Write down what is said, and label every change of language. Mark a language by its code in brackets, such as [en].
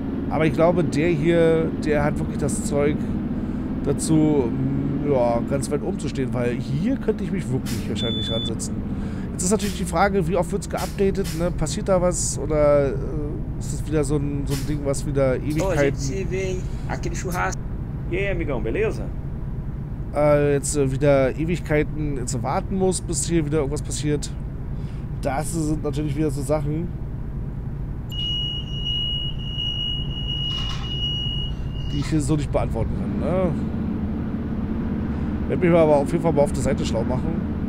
[de] Aber ich glaube, der hier, der hat wirklich das Zeug dazu, ja, ganz weit umzustehen, weil hier könnte ich mich wirklich wahrscheinlich ransetzen. Jetzt ist natürlich die Frage, wie oft wird es geupdatet, ne? Passiert da was oder ist das wieder so ein Ding, was wieder Ewigkeiten... [pt] So, aquele churrasco. E aí, amigão, beleza? [de] Jetzt wieder Ewigkeiten jetzt warten muss, bis hier wieder irgendwas passiert. Das sind natürlich wieder so Sachen. Die ich hier so nicht beantworten kann, ne? Werde mich aber auf jeden Fall mal auf der Seite schlau machen.